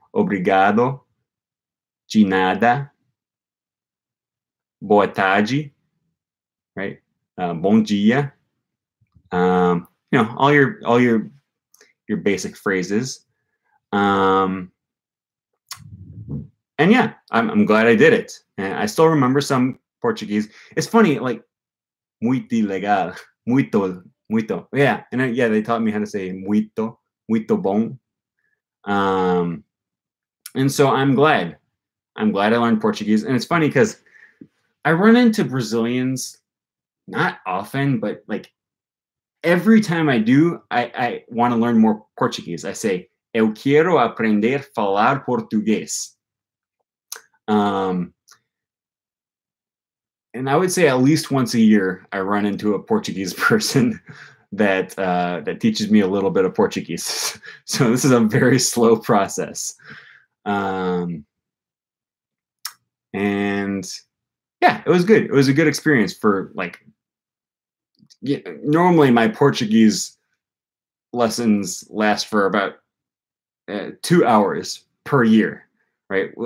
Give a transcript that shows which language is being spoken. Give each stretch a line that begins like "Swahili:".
Portuguese: Obrigado, de nada, boa tarde,
English: right?
Portuguese: Bom dia.
English: You know, all your basic phrases. And yeah, I'm glad I did it. And I still remember some Portuguese. It's funny, like,
Portuguese: muito legal, muito, muito.
English: Yeah, and yeah, they taught me how to say
Portuguese: muito, muito bom.
English: And so I'm glad I learned Portuguese. And it's funny because I run into Brazilians, not often, but like every time I do, I want to learn more Portuguese. I say,
Portuguese: eu quero aprender a falar português.
English: And I would say at least once a year, I run into a Portuguese person that teaches me a little bit of Portuguese. So this is a very slow process. And yeah, it was good. It was a good experience for like, normally my Portuguese lessons last for about 2 hours per year, right?